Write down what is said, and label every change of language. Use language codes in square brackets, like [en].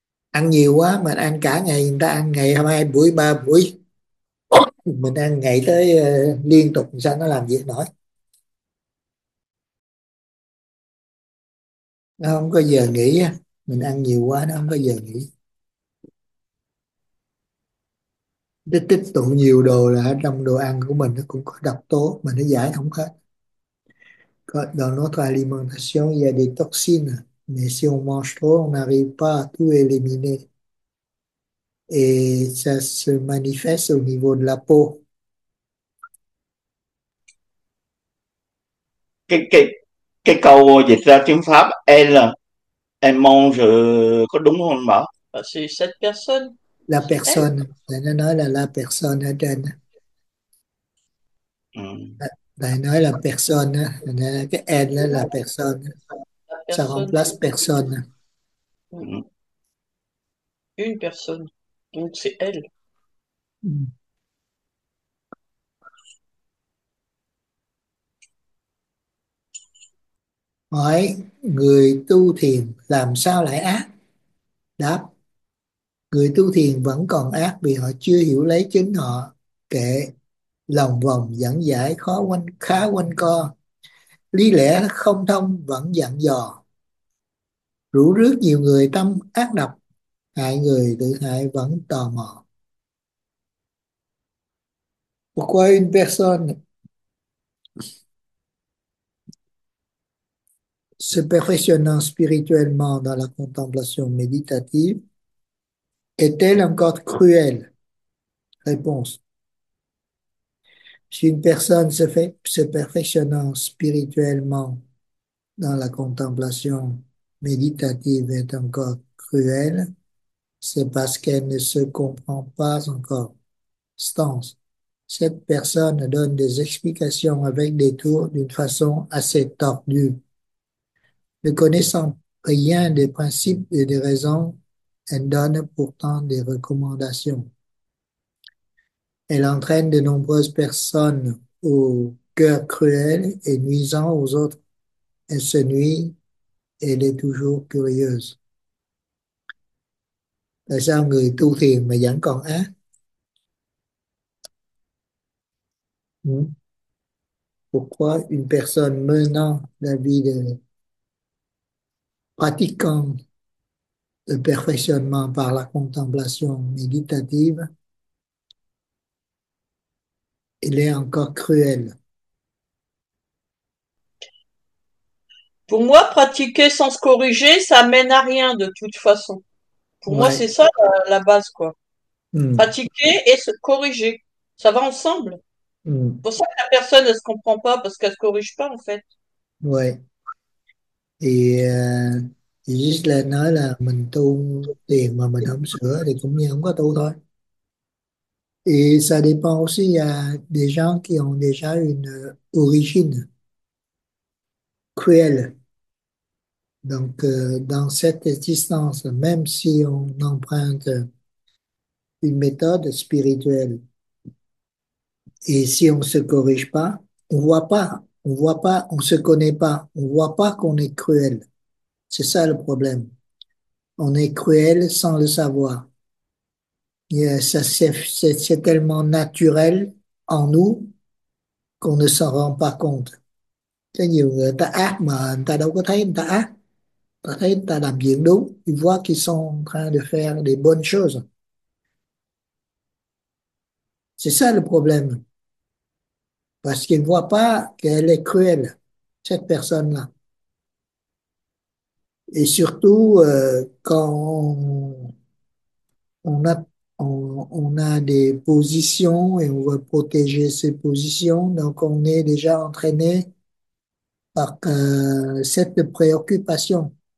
[vi] Ăn nhiều quá mà ăn cả ngày, người ta ăn ngày hôm nay buổi ba buổi, mình ăn ngày tới liên tục sao nó làm việc nổi, nó không có giờ nghỉ. Mình ăn nhiều quá nó không có giờ nghỉ, nó tích tụ nhiều đồ là ở trong đồ ăn của mình, nó cũng có độc tố mà nó giải không hết. Còn [fr] dans notre alimentation, il y a des toxines, mais si on mange trop, on n'arrive pas à tout éliminer. Et ça se manifeste au niveau de la peau. [vi] Cái câu dịch ra tiếng Pháp [fr] elle [vi] là em mong rồi, có đúng không bảo là [fr] si cette personne La elle. [vi] personne, tại nó nói là [fr] la personne [vi] ở trên. Tại nói là personne, cái end đó là personne. Sao không [fr] plus personne? Une personne, donc c'est elle. [vi] Hỏi người tu thiền làm sao lại ác? Đáp: người tu thiền vẫn còn ác vì họ chưa hiểu lấy chính họ, kệ lòng vòng dẫn giải khó quanh khá quanh co, lý lẽ không thông vẫn dặn dò, rủ rước nhiều người tâm ác độc, hại người tự hại vẫn tò mò. [fr] Pourquoi une se perfectionnant spirituellement dans la contemplation méditative est-elle encore cruelle? Réponse. Si une personne se fait se perfectionnant spirituellement dans la contemplation méditative est encore cruelle, c'est parce qu'elle ne se comprend pas encore. Stance. Cette personne donne des explications avec des tours d'une façon assez tordue. Ne connaissant rien des principes et des raisons, elle donne pourtant des recommandations. Elle entraîne de nombreuses personnes au cœur cruel et nuisant aux autres. Elle se nuit et elle est toujours curieuse. [vi] Tại sao người tu thiền mà vẫn còn ác? [fr] Pourquoi une personne menant la vie de pratiquant le perfectionnement par la contemplation méditative, il est encore cruel. Pour moi, pratiquer sans se corriger, ça mène à rien de toute façon. Pour moi, c'est Ouais. ça la base, quoi. Pratiquer et se corriger, ça va ensemble. Pour ça que la personne ne se comprend pas parce qu'elle se corrige pas, en fait. Ouais. Et [vi] Jesus lên nói là mình tu tiền mà mình không sửa thì cũng như không có tu thôi. [fr] Et ça dépend aussi, il y a des gens qui ont déjà une origine cruelle. Donc, dans cette existence, même si on emprunte une méthode spirituelle, et si on ne se corrige pas, on ne voit pas, on ne voit pas, on ne se connaît pas, on ne voit pas qu'on est cruel. C'est ça le problème. On est cruel sans le savoir. C'est tellement naturel en nous qu'on ne s'en rend pas compte. Il y a [vi] nhiều người ta ác mà người ta đâu có thấy người ta ác. Ta thấy người ta làm việc đúng. [fr] Ils voient qu'ils sont en train de faire des bonnes choses. C'est ça le problème. Parce qu'ils ne voient pas qu'elle est cruelle, cette personne-là. Et surtout, quand on a des positions et on veut protéger ces positions, donc on est déjà entraîné par cette préoccupation.